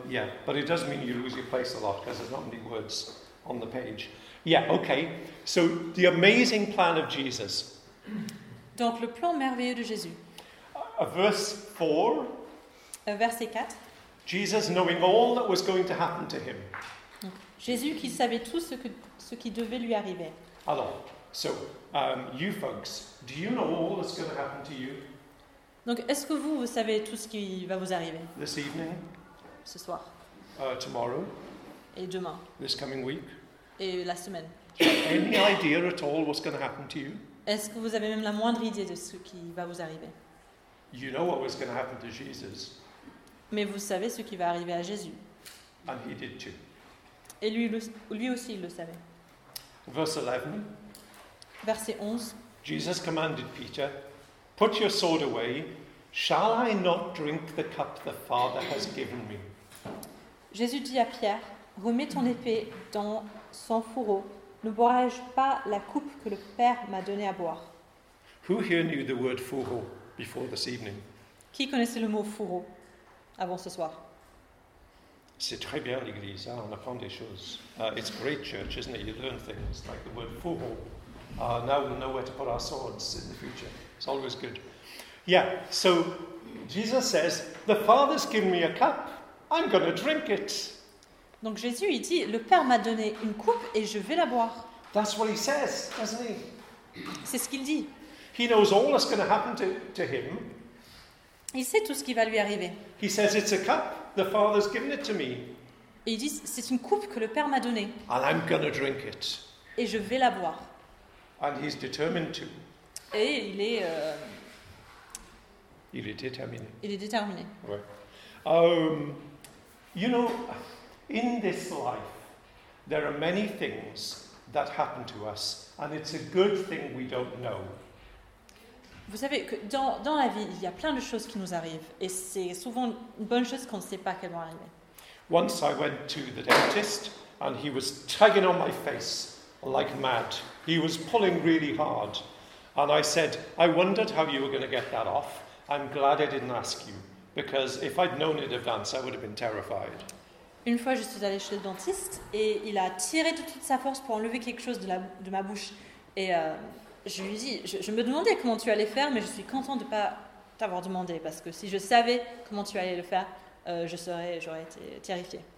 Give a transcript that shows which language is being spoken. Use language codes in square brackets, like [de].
[en] Yeah, but it does mean you lose your place a lot because there's not many words on the page. Yeah, okay. So the amazing plan of Jesus. [fr] Donc le plan merveilleux de Jésus. Verset 4. [en] Jesus knowing all that was going to happen to him. [fr] Jésus qui savait tout ce qui devait lui arriver. [en] Alors, you folks, do you know all that's going to happen to you? [fr] Donc est-ce que vous savez tout ce qui va vous arriver? [en] This evening. [fr] Ce soir. [en] Tomorrow. [fr] Et demain. [en] This coming week. [fr] Et la semaine. [en] Any idea at all what's going to happen to you? [fr] Est-ce que vous avez même la moindre idée de ce qui va vous arriver? [en] You know what was going to happen to Jesus. [fr] Mais vous savez ce qui va arriver à Jésus. [en] And he did too. [fr] Et lui aussi, il le savait. Verset 11. [en] Jesus commanded Peter, put your sword away. Shall I not drink the cup the Father has given me? [fr] Jésus dit à Pierre, remets ton épée dans son fourreau. Ne boirai-je pas la coupe que le Père m'a donnée à boire? [en] Who here knew the word fourreau before this evening? [fr] Qui connaissait le mot fourreau avant ce soir? C'est très bien l'église, hein? On apprend des choses. [en] It's great church, isn't it? You learn things like the word fourreau. Now we'll know where to put our swords in the future. It's always good. Yeah, so Jesus says, the Father's given me a cup, I'm going to drink it. [fr] Donc Jésus, il dit, le Père m'a donné une coupe et je vais la boire. [en] That's what he says, doesn't he? [fr] C'est ce qu'il dit. [en] He knows all that's going to happen to him. [fr] Il sait tout ce qui va lui arriver. [en] He says, it's a cup, the Father's given it to me. [fr] Et il dit, c'est une coupe que le Père m'a donnée. [en] And I'm going to drink it. [fr] Et je vais la boire. [en] And he's determined to. [fr] Et il est... Il est déterminé. Il est déterminé. [en] Ouais. You know... In this life, there are many things that happen to us, and it's a good thing we don't know. [fr] Vous savez que dans la vie, il y a plein de choses qui nous arrivent, et c'est souvent une bonne chose qu'on ne sait pas qu'elles vont arriver. [en] Once I went to the dentist, and he was tugging on my face like mad. He was pulling really hard, and I said, I wondered how you were going to get that off. I'm glad I didn't ask you, because if I'd known in advance, I would have been terrified. [fr] Une fois, je suis allée chez le dentiste et il a tiré de toute sa force pour enlever quelque chose de ma bouche. Et je lui dis, je me demandais comment tu allais faire, mais je suis contente de ne pas t'avoir demandé, parce que si je savais comment tu allais le faire, j'aurais été terrifiée.